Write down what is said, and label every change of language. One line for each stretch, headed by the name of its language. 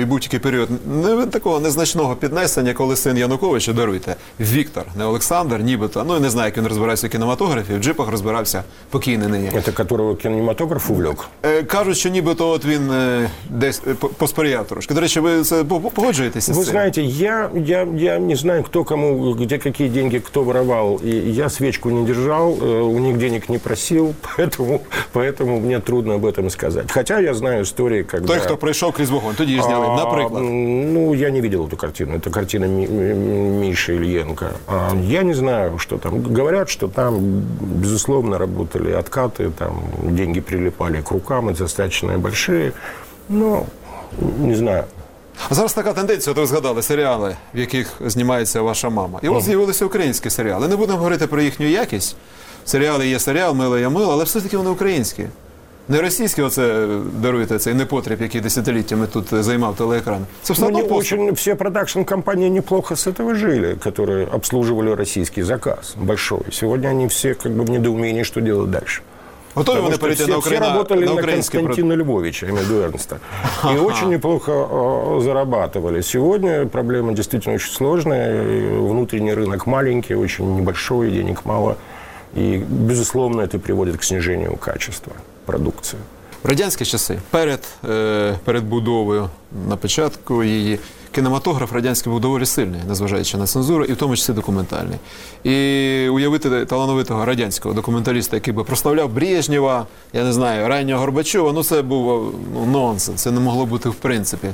Ukrainian: І був тільки період такого незначного піднесення, коли син Януковича, даруйте, Віктор, не Олександр, нібито, ну, не знаю, як він розбирався в кінематографі, в джипах розбирався покійний нині. Це якого кінематограф увлек? Кажуть, що нібито от він десь посприяв трошки. До речі, ви це погоджуєтеся з цим? Ви знаєте, я не знаю, хто кому, де які деньги, хто воровав. Я свічку не держав, у них денег не просив.
Russian: Поэтому мне трудно об этом сказать. Хотя я знаю истории, когда... Той, кто пришел к Резбухову, тоди сняли, например. Ну, я не видел эту картину. Это картина Миши Ильенко. Я не знаю, что там. Говорят, что там, безусловно, работали откаты, там деньги прилипали к рукам, это достаточно большие. Но не знаю.
Ukrainian: А зараз така тенденція, от ви згадали серіали, в яких знімається ваша мама. І от з'явилися українські серіали. Не будемо говорити про їхню якість. Серіали є серіал, «Мило я мило», але все-таки вони українські. Не російські, оце, даруєте, цей непотріб, який десятиліттями тут займав телеекран. Це все одно поступ. Всі продакшн-компанії неплохо з цього жили, які обслуговували російський заказ, великий. Сьогодні вони всі, як би, в недоумінні, що робити далі. Готові вони перейти на Україну? Всі працювали на Константина Львовича, ім'я Дуернста. І дуже неплохо зарабатували. Сьогодні проблема дійсно дуже складна. Внутрішній ринок маленький, дуже небольшой, денег мало.
Russian: И, безусловно, это приводит к снижению качества продукции.
Ukrainian: В радянські часи, перед будовою, на початку її, кінематограф радянський був доволі сильний, незважаючи на цензуру, і в тому числі документальний. І уявити талановитого радянського документаліста, який би прославляв Брежнєва, я не знаю, раннього Горбачова, ну це був нонсенс, це не могло бути в принципі.